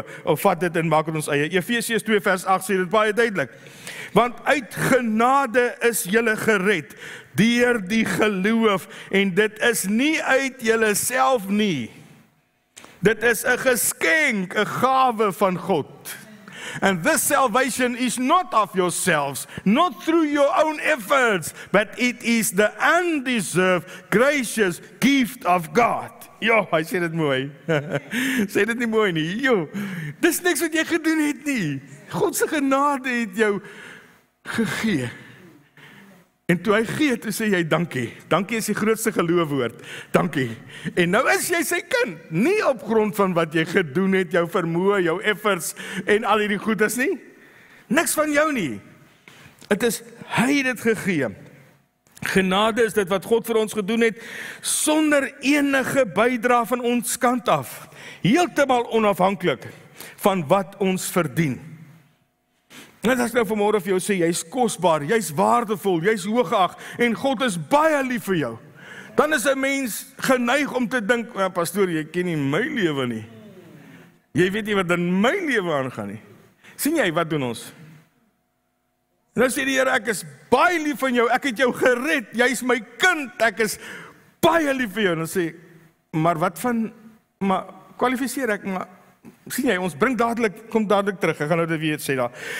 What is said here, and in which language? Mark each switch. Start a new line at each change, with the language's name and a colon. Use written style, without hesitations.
Afrikaans: Of vat dit en maak het ons eie. Efesiërs 2 vers 8 sê dit baie duidelik. Want uit genade is julle gered, deur die geloof, en dit is nie uit julle self nie. Dit is 'n geskenk, 'n gawe van God.
English: And this salvation is not of yourselves, not through your own efforts, but it is the undeserved, gracious gift of God.
Afrikaans: Jo, hy sê dit mooi. Sê dit nie mooi nie. Jo, dis niks wat jy gedoen het nie. God se genade het jou gegee. En toe hy gee, toe sê jy dankie. Dankie is die grootste geloofwoord. Dankie. En nou is jy sy kind. Nie op grond van wat jy gedoen het, jou vermoë, jou efforts en al die goedes nie. Niks van jou nie. Het is hy dit gegee. Genade is dit wat God vir ons gedoen het, sonder enige bydra van ons kant af. Heeltemal onafhanklik van wat ons verdien. Net as ek nou vanmorgen vir jou sê, jy is kostbaar, jy is waardevol, jy is hooggeag, en God is baie lief vir jou. Dan is een mens geneig om te dink, ja, pastoor, jy ken nie my lewe nie. Jy weet nie wat in my lewe aangaan nie. Sien jy, wat doen ons? En dan sê die Heer, ek is baie lief van jou, ek het jou gered, jy is my kind, ek is baie lief van jou. En dan sê, maar wat van, maar kwalificeer ek, maar sien jy, ons bring dadelijk, kom dadelijk terug, ek gaan nou dit weer sê daar.